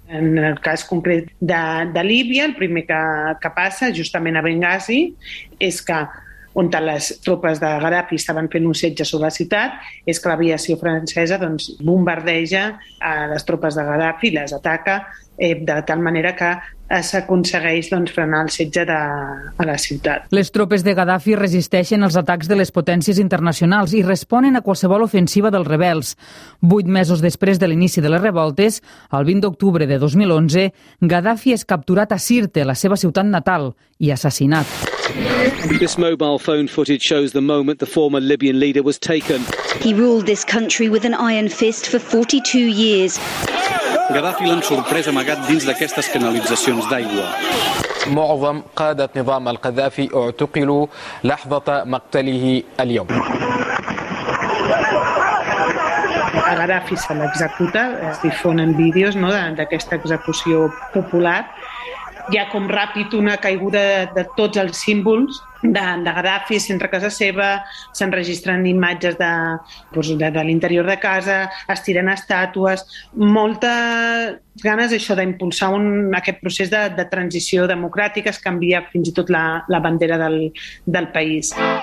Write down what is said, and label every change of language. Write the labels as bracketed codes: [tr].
[ca] En el cas concret de Líbia, el primer que passa, justament a Benghazi, és que on les tropes de Gaddafi estaven fent un setge sobre la ciutat, és que l'aviació francesa doncs, bombardeja a les tropes de Gaddafi, les ataca de tal manera que s'aconsegueix doncs, frenar el setge a la ciutat. Les tropes de Gaddafi resisteixen els atacs de les potències internacionals i responen a qualsevol ofensiva dels rebels. 8 mesos després de l'inici de les revoltes, el 20 d'octubre de 2011, Gaddafi és capturat a Sirte, la seva ciutat natal, i assassinat. [en] This mobile phone footage shows the moment the former Libyan leader was taken. He ruled this country with an iron fist for 42 years. [ca] No, Gaddafi l'han sorprès amagat dins d'aquestes canalitzacions d'aigua. [ar] معظم قادة نظام القذافي اعتقلوا لحظة مقتله اليوم. [ca] Gaddafi se l'executa, es difonen vídeos, no, d'aquesta execució popular. Hi ha com ràpid una caiguda de tots els símbols de Gaddafi sense casa seva, s'enregistren imatges de l'interior de casa, es tiren estàtues, moltes ganes això d'impulsar aquest procés de transició democràtica, es canvia fins i tot la bandera del país.